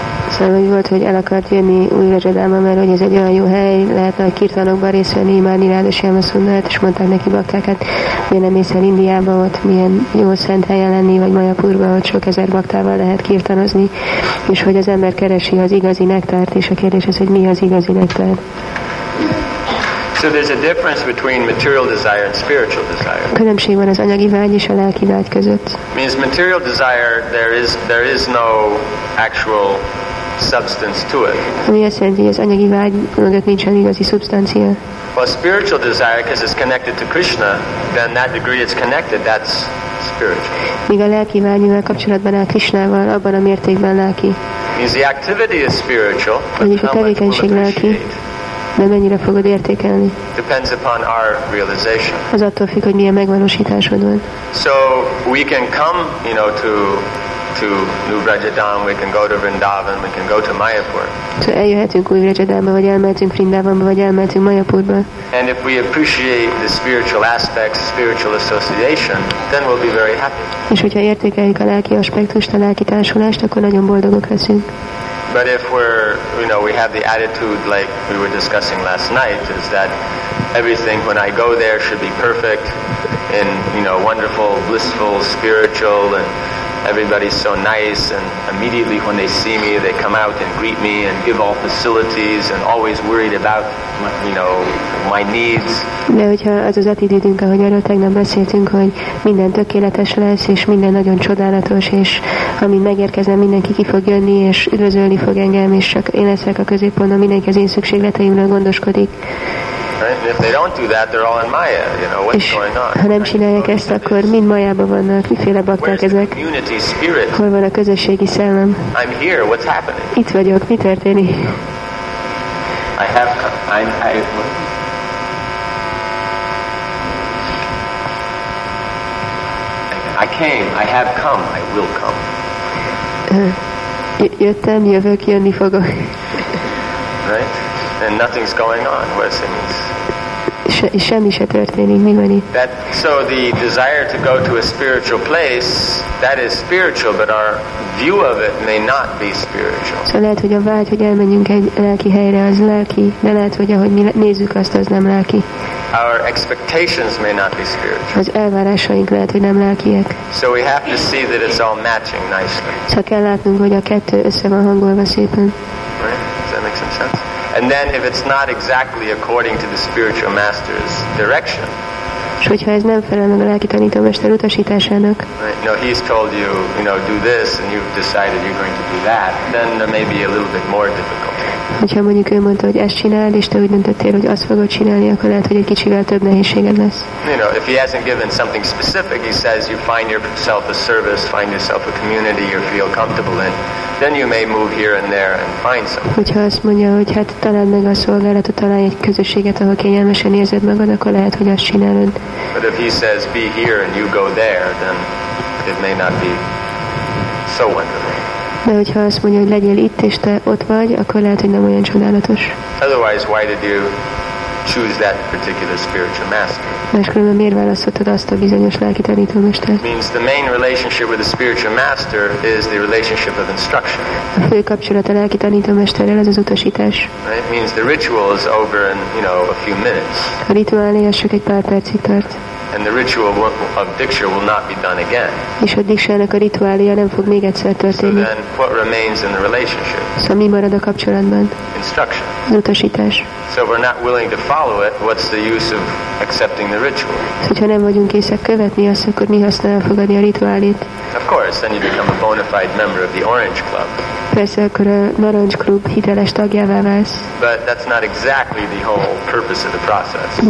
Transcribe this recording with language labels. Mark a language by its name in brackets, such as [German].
[Hungarian] Szóval úgy volt, hogy el akart jönni újra Jedálba, mert hogy ez egy olyan jó hely, lehetne a kirtanokban részt venni, imádni rád a Sriamá Szundarát, és mondták neki baktákat, miért nem mész el Indiába, ott milyen jó szent helyen lenni, vagy Mayapurban, ott sok ezer baktával lehet kirtanozni, és hogy az ember keresi az igazi nektárt, és a kérdés az, hogy mi az igazi nektár. [English] So there's a difference between material desire and spiritual desire. [Hungarian] Különbség van az anyagi vágy és a lelki vágy között. [English] Means material desire, there is no actual substance to it. [Hungarian] Ami azt jelenti, hogy az anyagi vágy mögött nincsen igazi szubstancia. [English] Well, spiritual desire, because it's connected to Krishna, then that degree it's connected, that's spiritual. [Hungarian] Míg a lelki vágy, mivel kapcsolatban áll Krishnával, abban a mértékben lelki. [English] Means the activity is spiritual, [Hungarian] but a tevékenység lelki. De mennyire fogod értékelni? [English] Depends upon our realization. [Hungarian] Az attól függ, hogy milyen megvalósításod van. [English] So we can come, you know, to New Vrajadam, we can go to Vrindavan, we can go to Mayapur. [Hungarian] So eljöhetünk Új Vrajadamba, vagy elmehetünk Vrindavanba, vagy elmehetünk Mayapurba. [English] And if we appreciate the spiritual aspects, spiritual association, then we'll be very happy. [Hungarian] És hogyha értékeljük a lelki aspektust, a lelki társulást, akkor nagyon boldogok leszünk. [English] But if we're, you know, we have the attitude like we were discussing last night, is that everything when I go there should be perfect and, you know, wonderful, blissful, spiritual, and everybody's so nice, and immediately when they see me, they come out and greet me and give all facilities and always worried about, you know, my needs. [Hungarian] De hogyha az az attitűdünk, ahogy arról tegnap beszéltünk, hogy minden tökéletes lesz, és minden nagyon csodálatos, és amint megérkezem, mindenki ki fog jönni, és üdvözölni fog engem, és csak én leszek a középpontban, mindenki az én szükségleteimről gondoskodik. [English] Right? And if they don't do that, they're all in Maya. You know what's [Hungarian] és [English] going on? [Hungarian] Ha nem csinálják ezt, akkor mind Mayába vannak. Miféle bakták ezek? Hol van a közösségi szellem? [English] I'm here. What's happening? [Hungarian] Itt vagyok. Mi történik? [English] I have come. I came. I have come. I will come. [Hungarian] Jöttem, jövök, jönni fogok. [English] Right? And nothing's going on. What's it means? [Hungarian] Semmi se történik, mi van itt? [English] That, so the desire to go to a spiritual place, that is spiritual, but our view of it may not be spiritual. [Hungarian] So lehet, hogy a vágy, hogy elmenjünk egy lelki helyre, az lelki, de lehet, hogy ahogy mi nézzük azt, az nem lelki. [English] Our expectations may not be spiritual. [Hungarian] Az elvárásaink lehet, hogy nem lelkiek. [English] So we have to see that it's all matching nicely. [Hungarian] Szóval kell látnunk, hogy a kettő össze van hangolva szépen. [English] And then if it's not exactly according to the spiritual master's direction. [Hungarian] És hogyha ez nem felel meg a lelki tanítómester utasításának. [English] No, he's told you, you know, do this and you've decided you're going to do that. Then there may be a little bit more difficult. [Hungarian] Hogyha mondjuk ő mondta, hogy ezt csináld, és te úgy döntöttél, hogy azt fogod csinálni, akkor lehet, hogy egy kicsivel több nehézséged lesz. [English] You know, if he hasn't given something specific, he says you find yourself a service, find yourself a community you feel comfortable in, then you may move here and there and find something. [Hungarian] Hogyha azt mondja, hogy hát találd meg a szolgálatot, találj egy közösséget, ahol kényelmesen érzed magad, akkor lehet, hogy azt csinálod. [English] But if he says be here and you go there, then it may not be so wonderful. [Hungarian] De hogyha azt mondja, hogy legyél itt, és te ott vagy, akkor lehet, hogy nem olyan csodálatos. [English] Otherwise, why did you choose that particular spiritual master? [Hungarian] Máskülönben miért választottad azt a bizonyos lelki tanítómestert? [English] Means the main relationship with the spiritual master is the relationship of instruction. [Hungarian] A fő kapcsolat a lelki tanítómesterrel az az utasítás. [English] Right? Means the ritual is over in, you know, a few minutes. [Hungarian] A rituálé az csak egy pár percig tart. [English] And the ritual of diksha will not be done again. [Hungarian] És a diksának a rituália nem fog még egyszer történni. [English] So then, what remains in the relationship? [Hungarian] Szóval mi marad a kapcsolatban? [English] Instruction. [Hungarian] Az utasítás. [English] So if we're not willing to follow it, what's the use of accepting the ritual? [Hungarian] Hogyha nem vagyunk készek követni azt, akkor mi haszna elfogadni a rituálét? [English] Of course, then you become a bona fide member of the Orange Club. [Hungarian] Persze, akkor a Narancs Klub hiteles tagjává válsz. [English] But that's not exactly the whole purpose of the process.